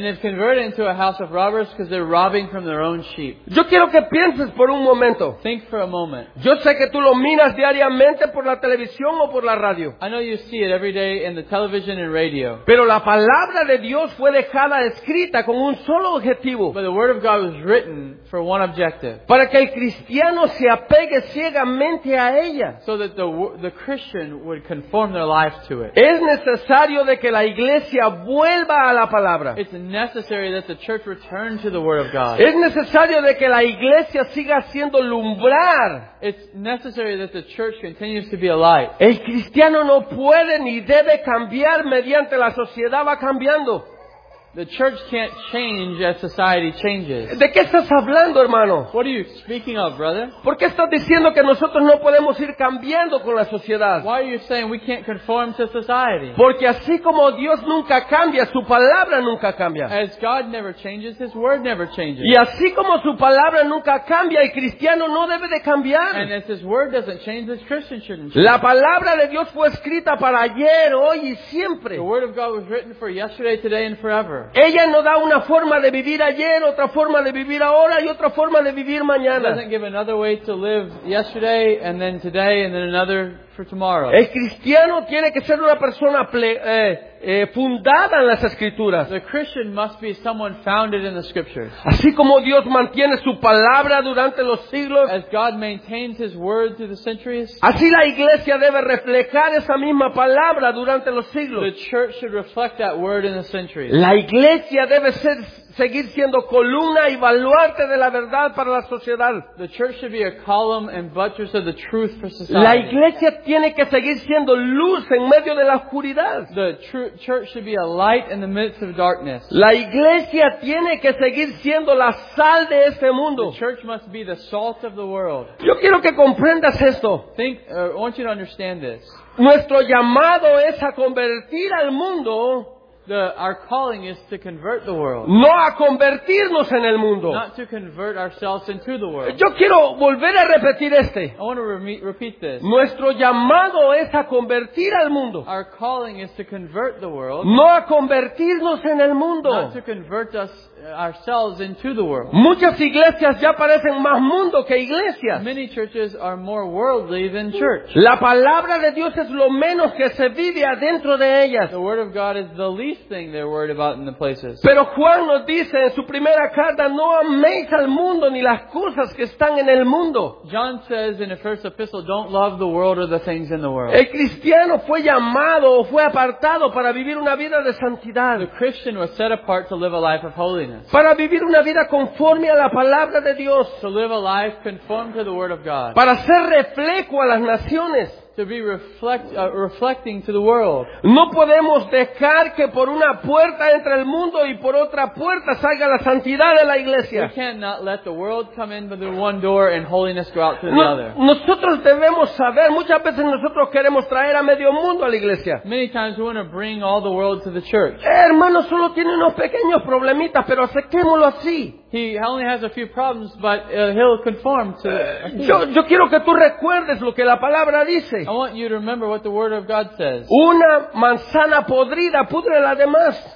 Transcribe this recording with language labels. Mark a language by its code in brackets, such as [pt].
[en] And they've converted into a house of robbers because they're robbing from their own sheep. [es] Yo quiero que pienses por un momento. [en] Think for a moment. [es] Yo sé que tú lo miras diariamente por la televisión. [en] I know you see it every day in the television and radio. [es] Pero la palabra de Dios fue dejada escrita con un solo objetivo. [en] But the word of God was written for one objective. [es] Para que el cristiano se apegue ciegamente a ella. [en] So that the Christian would conform their life to it. [es] Es necesario de que la iglesia vuelva a la palabra. [en] It's necessary that the church return to the word of God. [es] Es necesario de que la iglesia siga siendo lumbrar. [en] It's necessary that the church continues to be [es] El cristiano no puede ni debe cambiar mediante la sociedad va cambiando. [en] The church can't change as society changes. [es] ¿De qué estás hablando, hermano? [en] What are you speaking of, brother? [es] ¿Por qué estás diciendo que nosotros no podemos ir cambiando con la sociedad? [en] Why are you saying we can't conform to society? [es] Porque así como Dios nunca cambia, su palabra nunca cambia. [en] As God never changes, His word never changes. [es] Y así como su palabra nunca cambia, el cristiano no debe de cambiar. [en] And as His word doesn't change, this Christian shouldn't change. [es] La palabra de Dios fue escrita para ayer, hoy y siempre. [en] The word of God was written for yesterday, today, and forever. [es] Ella no da una forma de vivir ayer, otra forma de vivir ahora y otra forma de vivir mañana. [en] Doesn't give another way to live yesterday and then today and then another for tomorrow. [es] El cristiano tiene que ser una persona fundada en las Escrituras. [en] The Christian must be someone founded in the Scriptures. [es] Así como Dios mantiene su palabra durante los siglos, [en] as God maintains His word through the centuries, [es] así la iglesia debe reflejar esa misma palabra durante los siglos. [en] The church should reflect that word in the centuries. [es] La iglesia debe seguir siendo columna y baluarte de la verdad para la sociedad. [en] The church should be a column and buttress of the truth for society. [es] La iglesia tiene que seguir siendo luz en medio de la oscuridad. [en] The church should be a light in the midst of darkness. [es] La iglesia tiene que seguir siendo la sal de este mundo. [en] The church must be the salt of the world. [es] Yo quiero que comprendas esto. [en] I want you to understand this. [es] Nuestro llamado es a convertir al mundo. [en] Our calling is to convert the world. [es] No a convertirnos en el mundo. [en] Not to convert ourselves into the world. [es] Yo quiero volver a repetir este. [en] I want to repeat this. [es] Nuestro llamado es a convertir al mundo. [en] Our calling is to convert the world. [es] No a convertirnos en el mundo. [en] Not to convert ourselves into the world. [es] Muchas iglesias ya parecen más mundo que iglesias. [en] Many churches are more worldly than church. [es] La palabra de Dios es lo menos que se vive adentro de ellas. [en] The word of God is the least thing they're worried about in the places. [es] Pero Juan nos dice en su primera carta, no améis al mundo ni las cosas que están en el mundo. [en] John says in the first epistle, don't love the world or the things in the world. [es] El cristiano fue llamado o fue apartado para vivir una vida de santidad. [en] The Christian was set apart to live a life of holiness. [es] Para vivir una vida conforme a la palabra de Dios. [en] To live a life conform to the word of God. [es] Para ser reflejo a las naciones. [en] To be reflecting to the world. [es] No podemos dejar que por una puerta entre el mundo y por otra puerta salga la santidad de la iglesia. [en] We cannot let the world come in through one door and holiness go out through the other. [es] Nosotros debemos saber, muchas veces nosotros queremos traer a medio mundo a la iglesia. [en] Many times we want to bring all the world to the church. [es] Hermano, solo tiene unos pequeños problemitas, pero aceptémoslo así. [en] He only has a few problems, but he'll conform to it. [es] Yo quiero que tú recuerdes lo que la palabra dice. [en] I want you to remember what the word of God says. [es] Una manzana podrida pudre las demás.